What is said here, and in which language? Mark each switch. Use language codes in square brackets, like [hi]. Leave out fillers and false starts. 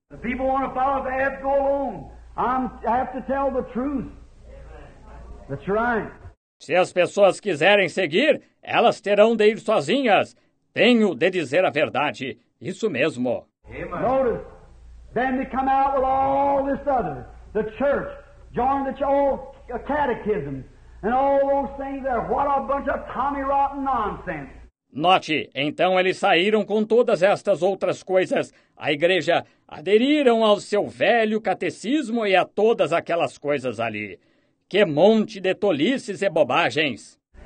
[en] The people want to follow, they have to go along. I have to tell the truth. That's right. [pt] Se as pessoas quiserem seguir, elas terão de ir sozinhas. Tenho de dizer a verdade. Isso mesmo. [en] Amen. Notice, then they come out with all this other, the church, join the old catechism, and all those things there. What a bunch of tommy rotten nonsense. [pt] Note, então eles saíram com todas estas outras coisas. A igreja aderiram ao seu velho catecismo e a todas aquelas coisas ali. Que monte de tolices e bobagens!